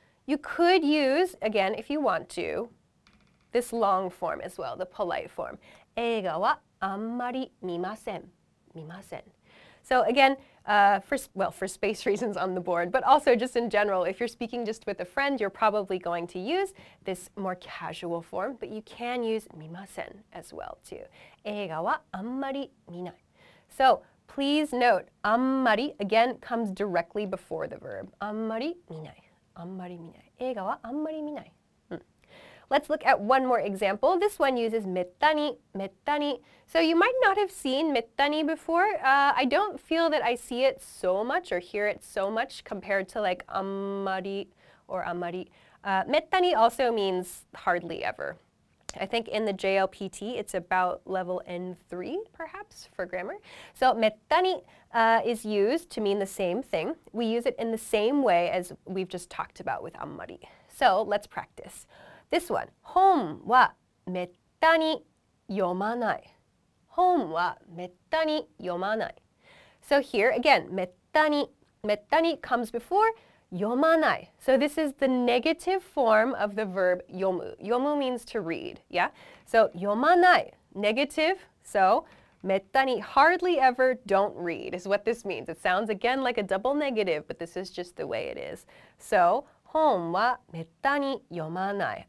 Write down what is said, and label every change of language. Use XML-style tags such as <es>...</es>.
<en>You could use, again, if you want to, this long form as well, the polite form.</en> <ja>映画はあんまり見ません。見ません.</ja> <en>So again, for space reasons on the board, but also just in general, if you're speaking just with a friend, you're probably going to use this more casual form, but you can use 見ません as well too.</en> <ja>映画はあんまり見ない.</ja> <en>So please note, あんまり, again, comes directly before the verb.</en> <ja>아んまり見ない. 映画はあんまり見ない.</ja> <en>Let's look at one more example. This one uses めったに, めったに. So you might not have seen めったに before. I don't feel that I see it so much or hear it so much compared to like あんまり or あんまり. めったに also means hardly ever. I think in the JLPT it's about level N3 perhaps for grammar. So めったに is used to mean the same thing. We use it in the same way as we've just talked about with あんまり. So let's practice. This one,</en> <ja>ホームはめったに読まない. ホームはめったに読まない.</ja> <en>So here again, めったに, めったに comes before 読まない. So this is the negative form of the verb 読む. 読む means to read, yeah? So 読まない, negative, so めったに, hardly ever, don't read, is what this means. It sounds again like a double negative, but this is just the way it is.</en> <ja>So 本はめったに読まない.</ja>